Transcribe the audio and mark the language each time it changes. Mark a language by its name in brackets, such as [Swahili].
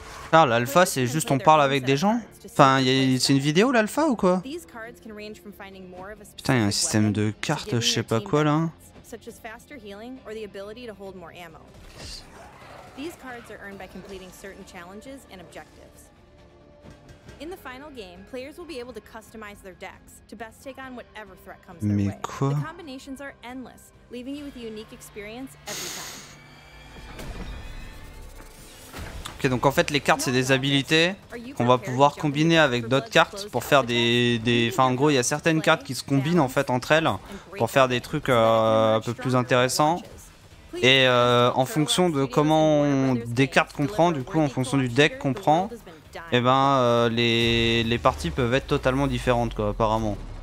[French] Ah, l'alpha, c'est juste on parle avec des gens? Enfin, c'est une vidéo l'alpha ou quoi? Putain, il y a un système de cartes, je sais pas quoi là. [English] Such as faster healing or the ability to hold more ammo. These cards are earned by completing certain challenges and objectives. In the final game, players will be able to customize their decks to best take on whatever threat comes their way. Quoi? The combinations are endless, leaving you with a unique experience every time. [French] Ok, donc en fait les cartes c'est des habilités qu'on va pouvoir combiner avec d'autres cartes pour faire des... Enfin en gros il y a certaines cartes qui se combinent en fait entre elles pour faire des trucs un peu plus intéressants. Et en fonction de comment des cartes qu'on prend, du coup en fonction du deck qu'on prend, et ben les parties peuvent être totalement différentes quoi apparemment.